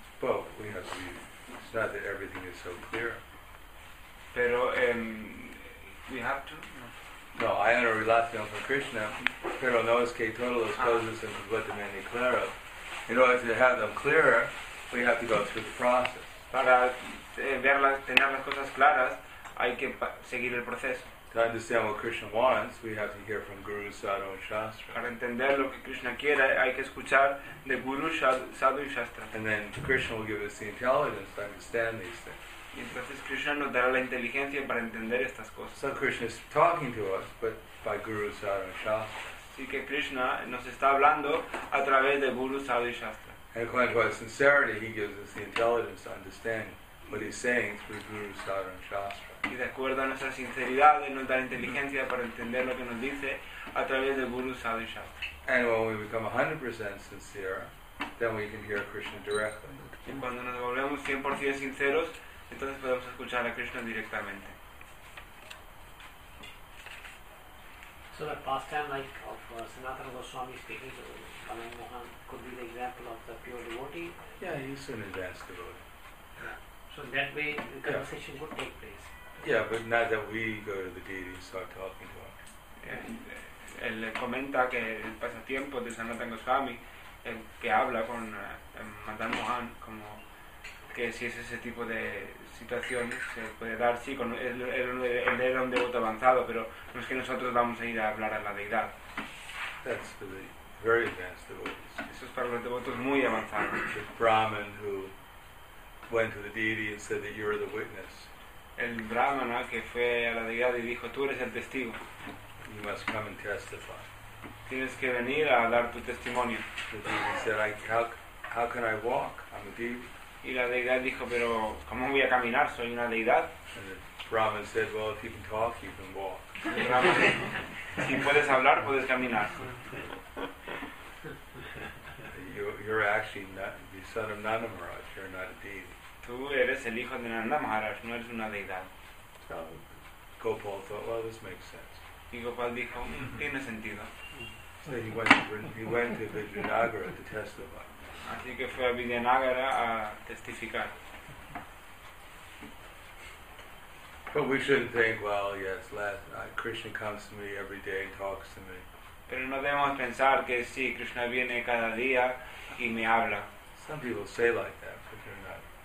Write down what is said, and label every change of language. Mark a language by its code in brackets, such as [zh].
[en] But we have to be, it's not that everything is so clear. [es] Pero, [en] we have to, [es] no, hay una relación con Krishna, pero no es que todas las cosas son completamente claras. [en] In order to have them clearer, we have to go through the process. [es] Para tener las cosas claras, hay que seguir el proceso. [en] To understand what Krishna wants, we have to hear from Guru, Sadhu, and Shastra. [es] Para entender lo que Krishna quiere, hay que escuchar de Guru, Sadhu, y Shastra. [en] And then Krishna will give us the intelligence to understand these things. [es] Y entonces Krishna nos dará la inteligencia para entender estas cosas. [en] So Krishna is talking to us, but by Guru, Sadhu, and Shastra. [es] Así que Krishna nos está hablando a través de Guru, Sadhu, y Shastra. [en] And according to his sincerity, he gives us the intelligence to understand what he's saying through Guru, Sadhu, and Shastra. [es] Y de acuerdo a nuestra sinceridad, él nos da inteligencia para entender lo que nos dice a través de Guru, Sadhu, y Shastra. [en] And when we become 100% sincere, then we can hear Krishna directly. [es] Y cuando nos volvemos 100% sinceros, entonces podemos escuchar a Krishna directamente. [en] So the pastime like of Sanatana Goswami speaking to Balan Mohan could be the example of the pure devotee? Yeah, he's an advanced devotee. So that way the conversation would take place. Yeah, but now that we go to the deity and start talking to him. [es] Él comenta que el pasatiempo de Sanatana Goswami, que habla con Madan Mohan, como que si es ese tipo de situación se puede dar, sí, con el de un devoto avanzado, pero no es que nosotros vamos a ir a hablar a la deidad. [en] That's for the very advanced devotees. [es] Eso es para los devotos muy avanzados. [en] The Brahman who went to the deity and said that you're the witness. [es] El Brahmana que fue a la deidad y dijo, tú eres el testigo. [en] You must come and testify. [es] Tienes que venir a dar tu testimonio. [en] The deity said, how can I walk? I'm a deity. [es] Y la deidad dijo, pero ¿cómo voy a caminar? Soy una deidad. [en] And the Brahman said, well, if you can talk, you can walk. [es] Si puedes hablar, puedes caminar. [en] You're actually not, the son of Nanda Maharaj, you're not a deity. [es] Tú eres el hijo de Nanda Maharaj, no eres una deidad. [en] So, Gopal thought, well, this makes sense. [es] Y Gopal dijo, tiene sentido. [en] So he went to Vijayanagara to testify. [es] Así que fue a Vijayanagara a testificar. [en] But we shouldn't think, well, yes, Krishna comes to me every day and talks to me. [es] Pero no debemos pensar que sí, Krishna viene cada día y me habla. [en] Some people say like that, but they're not.